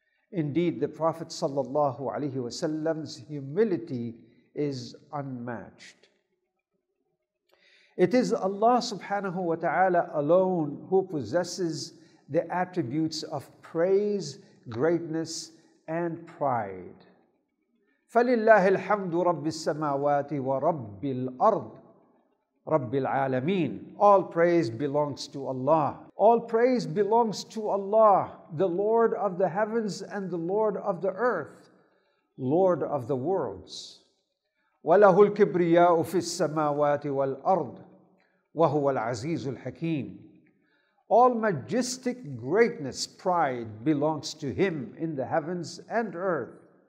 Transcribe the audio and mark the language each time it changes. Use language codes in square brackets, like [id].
[en] Indeed, the Prophet sallallahu alaihi wasallam's humility is unmatched. It is Allah subhanahu wa ta'ala alone who possesses the attributes of praise, greatness, and pride. [ar] فَلِلَّهِ الْحَمْدُ رَبِّ السَّمَاوَاتِ وَرَبِّ الْأَرْضِ رَبِّ الْعَالَمِينَ [en] All praise belongs to Allah. All praise belongs to Allah, the Lord of the heavens and the Lord of the earth, Lord of the worlds. [ar] وَلَهُ الْكِبْرِيَاءُ فِي السَّمَاوَاتِ وَالْأَرْضِ وَهُوَ الْعَزِيزُ الْحَكِيمُ [en] All majestic greatness, pride, belongs to him in the heavens and earth.